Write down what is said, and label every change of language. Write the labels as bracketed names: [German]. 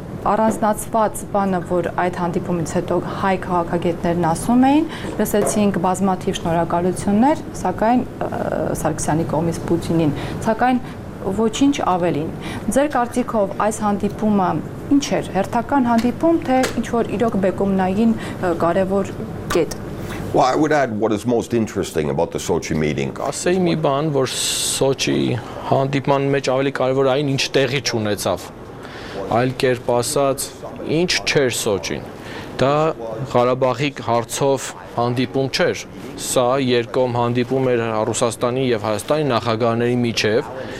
[Armenian] առանձնացված բանը, որ այդ հանդիպումից հետո հայ քաղաքագետներն ասում էին, լսեցինք բազմաթիվ շնորհակալություններ, սակայն Սարգսյանի կողմից Պուտինին, սակայն ոչինչ ավելին։ Ձեր կարծիքով այս հանդիպումը ինչ էր, հերթական հանդիպում, թե ինչ-որ իրոք բեկումնային կարևոր կետ։ [English] Well, I would add what is most interesting about the Sochi meeting. [Armenian] Ասեի մի բան, որ Սոչի հանդիպման մեջ ավելի կարևոր այն, ինչ տեղի չունեցավ։ Այլ կերպ ասած, ինչ չէր Սոչին։ Դա Ղարաբաղի հարցով հանդիպում չէր, սա երկկողմ հանդիպում էր Ռուսաստանի և Հայաստանի նախագահների միջև,